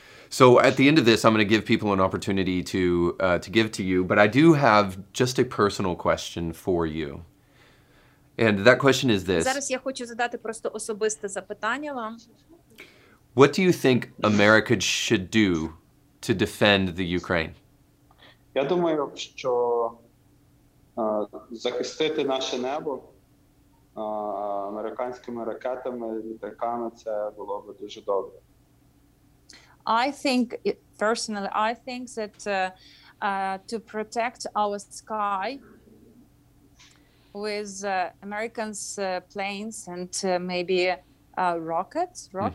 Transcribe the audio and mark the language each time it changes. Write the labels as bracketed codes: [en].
[en] So at the end of this, I'm going to give people an opportunity to give to you, but I do have just a personal question for you. And that question is this. [uk] Зараз я хочу задати просто особисте запитання вам. [en] What do you think America should do to defend the Ukraine? [uk] Я думаю, що захистити наше небо американськими ракетами, літаками, це було б дуже добре. [en] I think that to protect our sky with Americans planes and maybe rockets,